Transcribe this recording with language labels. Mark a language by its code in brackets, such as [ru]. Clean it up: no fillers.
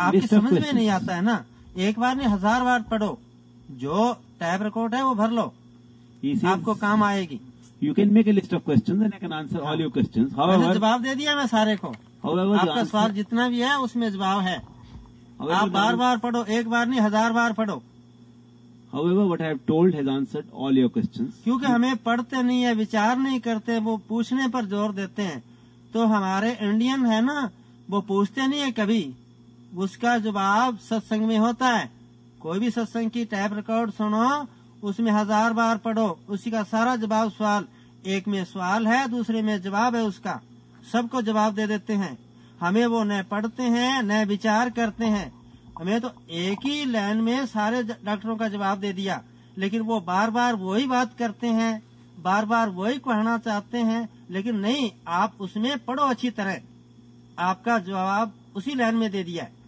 [hi] आपकी समझ में नहीं आता है ना एक बार नहीं हजार बार पढ़ो जो टैप रिकॉर्ड है वो भर लो आपको काम आएगी [en] you can make a list of question and I can answer all your questions however [hi] जवाब दे दिया मैं सारे को आपका सवाल जितना भी है उसमें जवाब है आप बार बार पढ़ो एक बार नहीं हजार बार पढ़ो [en] However, what I have told has answered all your questions. [hi] क्योंकि हमें पढ़ते नहीं है विचार नहीं करते वो पूछने पर जोर देते हैं तो हमारे इंडियन है ना वो पूछते नहीं है कभी उसका जवाब सत्संग में होता है कोई भी सत्संग की टैप रिकॉर्ड सुनो उसमें हजार बार पढ़ो उसी का सारा जवाब सवाल एक में सवाल है दूसरे में जवाब है उसका सबको जवाब दे देते हैं हमें वो न पढ़ते हैं न विचार करते हैं हमें तो एक ही लाइन में सारे डॉक्टरों का जवाब दे दिया लेकिन वो बार बार वही बात करते हैं बार बार वही कहना चाहते हैं लेकिन नहीं आप उसमें पढ़ो अच्छी तरह आपका जवाब उसी लाइन में दे दिया